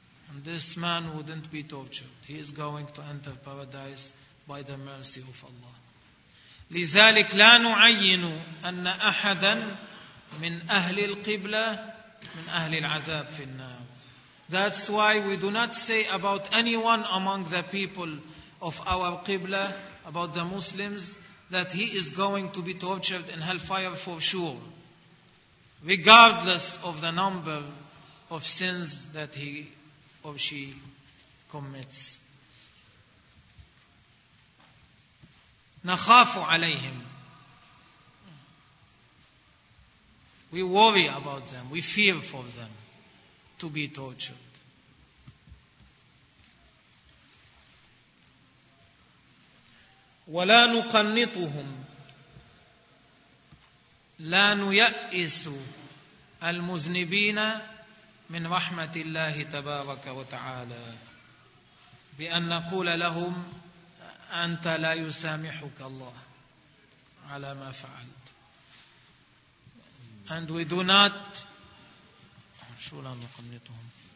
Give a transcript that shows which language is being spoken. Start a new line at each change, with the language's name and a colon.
English: And this man wouldn't be tortured. He is going to enter paradise by the mercy of Allah.
Arabic: لذلك لا نعين أن أحدا من أهل القبلة من أهل العذاب في النار.
English: That's why we do not say about anyone among the people of our Qibla, about the Muslims, that he is going to be tortured in hellfire for sure, regardless of the number of sins that he or she commits.
Arabic: نخاف عليهم.
English: We worry about them. We fear for them to be tortured.
Arabic: ولا نقنطهم. لا نيأس المذنبين من رحمة الله تبارك وتعالى بأن نقول لهم أنت لا يسامحك الله على ما فعلت.
English: And we do not,
Arabic: شو لا نقنطهم.